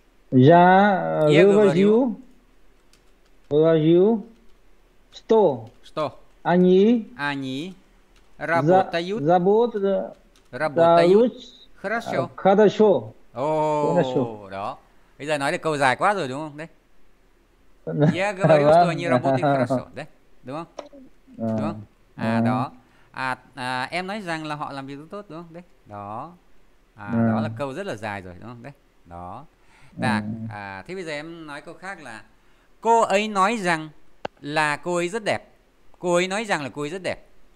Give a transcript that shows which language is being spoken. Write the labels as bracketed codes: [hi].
[ru] Я говорю, говорю, что они, они работают, работают хорошо, хорошо. Хорошо. Đó. [vi] Bây giờ nói được câu dài quá rồi đúng không? Đấy. [ru] Я говорю, что они работают хорошо. [vi] Đấy. Đúng không? Đúng không? À đó. À, à em nói rằng là họ làm việc rất tốt đúng không? Đấy. Đó. À đó là câu rất là dài rồi đúng không? Đấy. Đó. Đạt. À thế bây giờ em nói câu khác là cô ấy nói rằng là cô ấy rất đẹp. Cô ấy nói rằng là cô ấy rất đẹp.